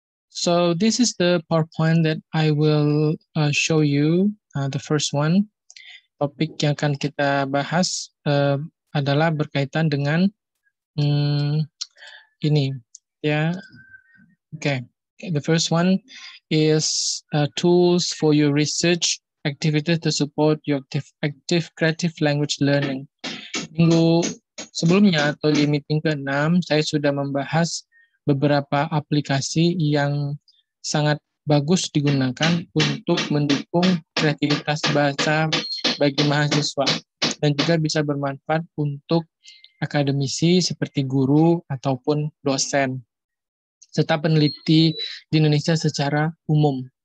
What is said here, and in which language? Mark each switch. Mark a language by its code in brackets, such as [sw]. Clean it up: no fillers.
[en] So this is the PowerPoint that I will show you. The first one, [id] topik yang akan kita bahas adalah berkaitan dengan ini. [en] Yeah. Okay. The first one is tools for your research activities to support your active creative language learning. [id] Minggu sebelumnya atau di meeting ke-6 saya sudah membahas beberapa aplikasi yang sangat bagus digunakan untuk mendukung kreativitas bahasa bagi mahasiswa dan juga bisa bermanfaat untuk akademisi seperti guru ataupun dosen serta peneliti di Indonesia secara umum.